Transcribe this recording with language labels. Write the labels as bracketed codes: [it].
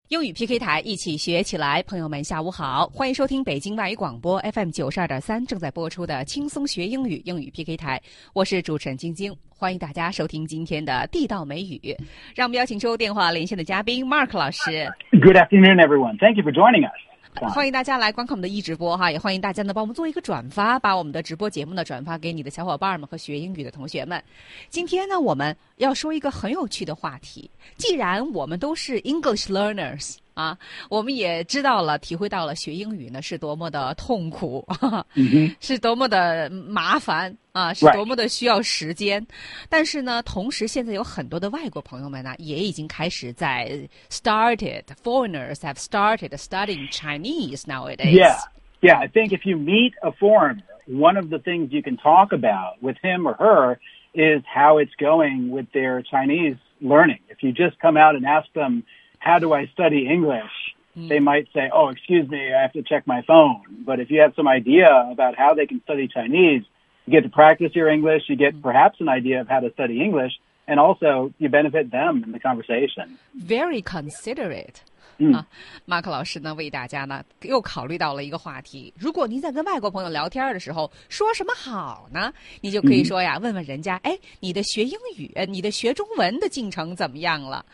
[zh] 英语 PK 台一起学起来，朋友们下午好，欢迎收听北京外语广播 FM92.3 正在播出的轻松学英语英语 PK 台，我是主持人晶晶，欢迎大家收听今天的地道美语。让我们邀请出电话连线的嘉宾 Mark 老师。 [en] Good afternoon everyone, thank you for joining us. [zh] 欢迎大家来观看我们的一直播哈，也欢迎大家呢帮我们做一个转发，把我们的直播节目呢转发给你的小伙伴们和学英语的同学们。今天呢我们要说一个很有趣的话题，既然我们都是 [en] English learners [zh] 啊，我们也知道了体会到了学英语呢是多么的痛苦、 mm-hmm. 是多么的麻烦啊，是多么的需要时间、 [en] right. [zh] 但是呢同时现在有很多的外国朋友们呢也已经开始在 [en] started foreigners have started studying Chinese nowadays. Yeah, I think if you meet a foreigner, one of the things you can talk about with him or her is how it's going with their Chinese learning. If you just come out and ask them, how do I study English? They might say, oh, excuse me, I have to check my phone. But if you have some idea about how they can study Chinese,You get to practice your English, you get perhaps an idea of how to study English, and also you benefit them in the conversation. Very considerate. [zh] Mark 老师呢为大家呢又考虑到了一个话题，如果您在跟外国朋友聊天的时候说什么好呢，你就可以说呀、问问人家，哎，你的学英语你的学中文的进程怎么样了、